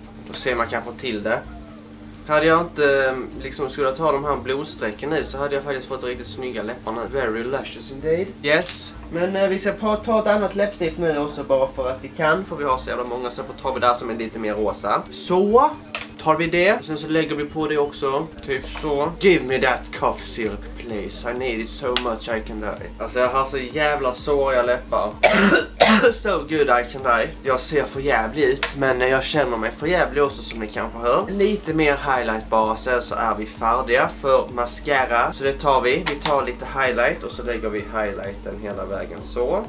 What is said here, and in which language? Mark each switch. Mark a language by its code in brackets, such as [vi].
[sv] Då ser man kan få till det. Hade jag inte liksom skulle ta de här blodsträcken nu, så hade jag faktiskt fått riktigt snygga läppar nu. [en] Very luscious indeed. Yes. [sv] Men vi ska ta ett annat läppsnitt nu också, bara för att vi kan. För vi har så jävla många, så får ta vi där som är lite mer rosa. Så tar vi det. Sen så lägger vi på det också. Typ så. [en] Give me that cough syrup please. I need it so much I can die. [sv] Alltså jag har så jävla såriga läppar. [en] So good I can die. [sv] Jag ser för jävligt ut, men jag känner mig för jävligt också, som ni kanske hör. Lite mer highlight bara, så är vi färdiga för mascara. Så det tar vi. Vi tar lite highlight och så lägger vi highlighten hela vägen så.